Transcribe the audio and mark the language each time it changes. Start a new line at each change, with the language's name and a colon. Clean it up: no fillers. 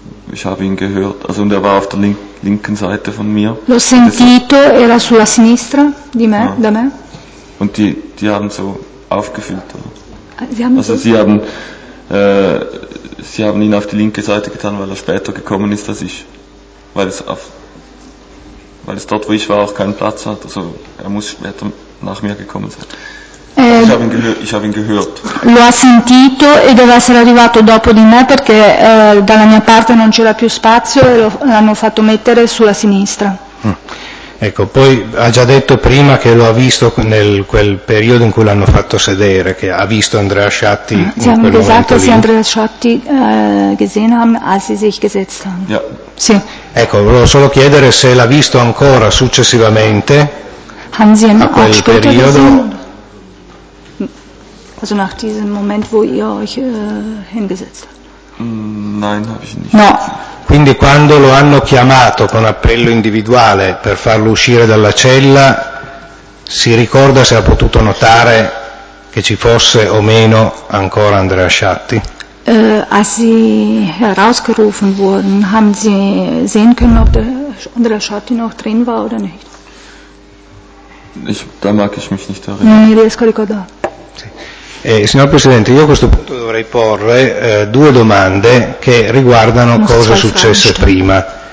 German: Ich habe ihn gehört, also und er war auf der linken Seite von mir.
Italian: L'ho sentito, era sulla sinistra di me, ja. Da me.
German: Und die haben so aufgefüllt, oder? Sie haben also sie haben ihn auf die linke Seite getan, weil er später gekommen ist als ich. Weil es dort, wo ich war, auch keinen Platz hat. Also er muss später nach mir gekommen sein. Ich habe ihn gehört.
Italian: Lo ha sentito e deve essere arrivato dopo di me perché dalla mia parte non c'era più spazio e l'hanno fatto mettere sulla sinistra. Ecco, poi ha già detto prima che lo ha visto nel quel periodo in cui l'hanno fatto sedere, che ha visto Andrea Sciatti in quel momento lì.
German: Sie haben gesagt, dass Andrea Sciatti gesehen haben, als sie sich gesetzt haben. Ja.
Italian: Sì. Ecco, volevo solo chiedere se l'ha visto ancora successivamente.
German: Haben Sie ihn
Italian: a quel
German: auch
Italian: periodo?
German: Gesehen? Also nach diesem Moment, wo ihr euch hingesetzt habt. Nein, habe ich nicht.
Italian: No. Quindi quando lo hanno chiamato con appello individuale per farlo uscire dalla cella, si ricorda se ha potuto notare che ci fosse o meno ancora Andrea Sciatti?
German: Als sie herausgerufen wurden, haben sie sehen können, ob der Andrea Sciatti noch drin war oder nicht? Da mag ich mich nicht erinnern.
Italian: Non mi riesco a ricordare. Sì. Signor Presidente, io a questo punto dovrei porre due domande che riguardano cosa è successo prima.